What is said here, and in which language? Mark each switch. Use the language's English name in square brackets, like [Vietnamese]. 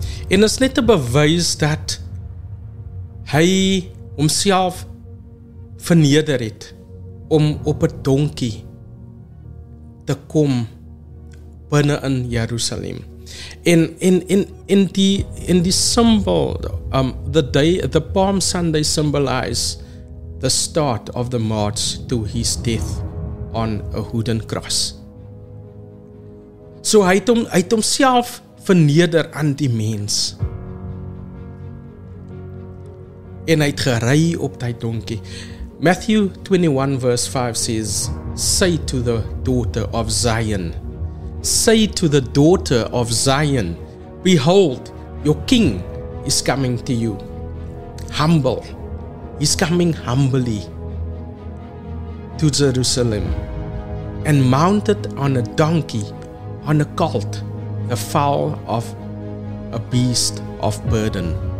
[Afrikaans] En is net 'n bewys dat hy homself verneder het om op 'n donkie te kom binne in Jerusalem. In die symbol, [English] the Palm Sunday symbolizes the start of the march to his death on a wooden cross. [Afrikaans] So hy het homself verneder aan die mens. En hy het gery op die donkie. [English] Matthew 21 verse 5 says, "Say to the daughter of Zion, say to the daughter of Zion, behold, your king is coming to you. Humble. He's coming humbly to Jerusalem and mounted on a donkey, on a colt, the foal of a beast of burden."